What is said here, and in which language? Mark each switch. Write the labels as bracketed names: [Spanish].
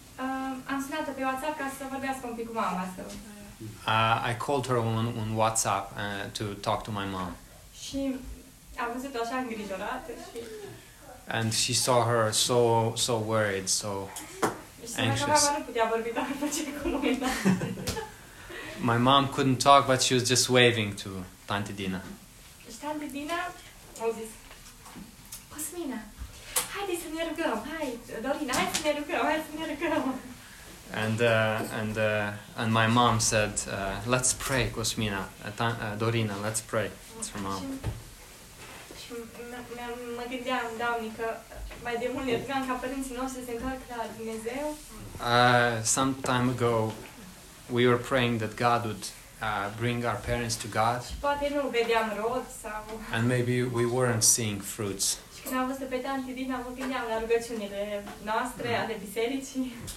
[Romanian] Am sunat-o pe WhatsApp ca să vorbească un pic cu mama, să... [English] I called her on WhatsApp to talk to my mom. [Romanian] Și a văzut-o așa îngrijorată și... [English] And she saw her so worried, so anxious. [Romanian] Și mama nu putea vorbi dacă face cu lumina. [English] My mom couldn't talk, but she was just waving to Tante Dina. [Romanian] Și Tante Dina a zis, Cosmina. Haide să ne rugăm, hai, Dorina, hai să ne rugăm, hai să ne rugăm. [English] And my mom said, let's pray, Cosmina, Dorina, let's pray, it's her mom. [Romanian] Și mă gândeam, Doamne, că mai de mult ne rugăm ca părinții noștri să se întoarcă la Dumnezeu. [English] Some time ago, we were praying that God would bring our parents to God. [Romanian] Și poate nu vedeam rod sau... [English] And maybe we weren't seeing fruits. [Romanian] Când am văzut pe Tante Dina, mă gândeam la rugăciunile noastre, ale bisericii.